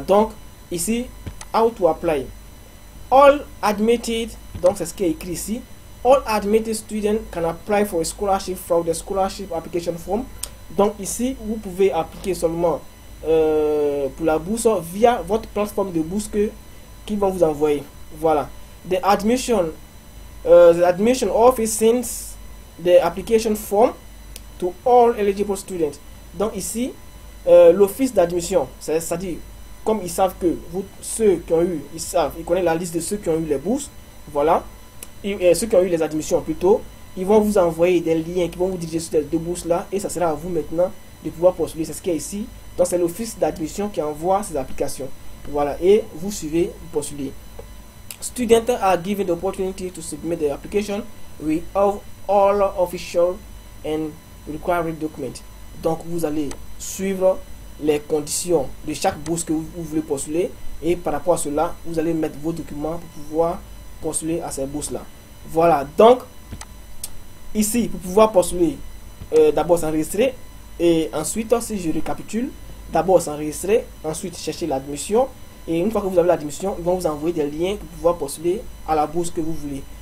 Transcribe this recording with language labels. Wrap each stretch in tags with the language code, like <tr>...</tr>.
<fr>Donc, ici,</fr> <en>how to apply. All admitted,</en> <fr>donc c'est ce qui est écrit ici.</fr> <en>All admitted students can apply for a scholarship from the scholarship application form.</en> <fr>Donc, ici, vous pouvez appliquer seulement pour la bourse via votre plateforme de bourse qu'ils vont vous envoyer. Voilà.</fr> <en>The admission office sends the application form to all eligible students.</en> <fr>Donc, ici, l'office d'admission, c'est-à-dire, comme ils savent que vous, ceux qui ont eu, ils savent, ils connaissent la liste de ceux qui ont eu les bourses, voilà, et ceux qui ont eu les admissions plutôt, ils vont vous envoyer des liens qui vont vous diriger sur ces deux bourses-là, et ça sera à vous maintenant de pouvoir postuler. C'est ce qu'il y a ici. Donc, c'est l'office d'admission qui envoie ces applications. Voilà, et vous suivez, vous postulez.</fr> <en>Students are given the opportunity to submit their application with all official and required documents.</en> <fr>Donc, vous allez suivre les conditions de chaque bourse que vous voulez postuler, et par rapport à cela, vous allez mettre vos documents pour pouvoir postuler à ces bourses-là. Voilà, donc ici, pour pouvoir postuler, d'abord s'enregistrer, et ensuite, si je récapitule, d'abord s'enregistrer, ensuite chercher l'admission, et une fois que vous avez l'admission, ils vont vous envoyer des liens pour pouvoir postuler à la bourse que vous voulez.</fr>